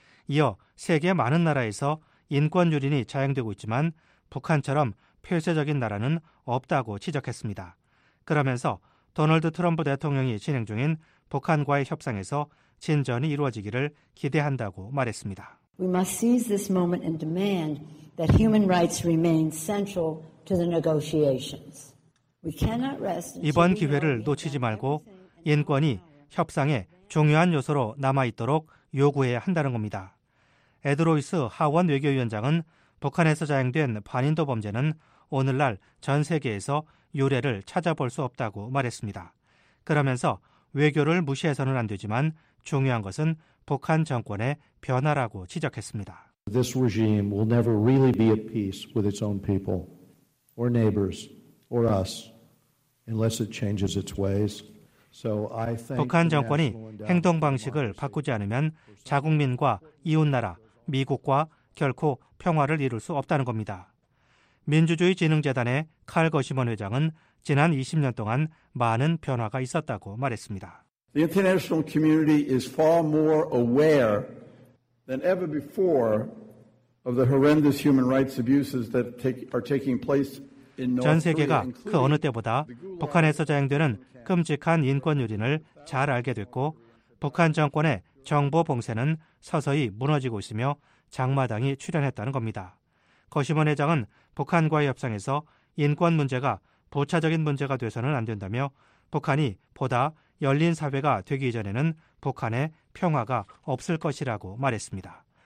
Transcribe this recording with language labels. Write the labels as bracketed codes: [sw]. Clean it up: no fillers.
[ko] 이어 세계 많은 나라에서 인권 유린이 자행되고 있지만 북한처럼 폐쇄적인 나라는 없다고 지적했습니다. 그러면서 도널드 트럼프 대통령이 진행 중인 북한과의 협상에서 진전이 이루어지기를 기대한다고 말했습니다. [en] We must seize this moment and demand that human rights remain central to the negotiations. We cannot rest. [ko] 이번 기회를 놓치지 말고 인권이 협상의 중요한 요소로 남아 있도록 요구해야 한다는 겁니다. 에드로이스 하원 외교위원장은 북한에서 자행된 반인도 범죄는 오늘날 전 세계에서 유례를 찾아볼 수 없다고 말했습니다. 그러면서 외교를 무시해서는 안 되지만 중요한 것은 북한 정권의 변화라고 지적했습니다. [en] This regime will never really be at peace with its own people or neighbors or us unless it changes its ways. So I think [ko] 북한 정권이 행동 방식을 바꾸지 않으면 자국민과 이웃 나라 미국과 결코 평화를 이룰 수 없다는 겁니다. 민주주의진흥재단의 칼 거시먼 회장은 지난 20년 동안 많은 변화가 있었다고 말했습니다. [en] The international community is far more aware than ever before of the horrendous human rights abuses that are taking place. [ko] 전 세계가 그 어느 때보다 북한에서 자행되는 끔찍한 인권 유린을 잘 알게 됐고 북한 정권의 정보 봉쇄는 서서히 무너지고 있으며 장마당이 출현했다는 겁니다. 거시먼 회장은 북한과의 협상에서 인권 문제가 부차적인 문제가 돼서는 안 된다며 북한이 보다 열린 사회가 되기 이전에는 북한의 평화가 없을 것이라고 말했습니다.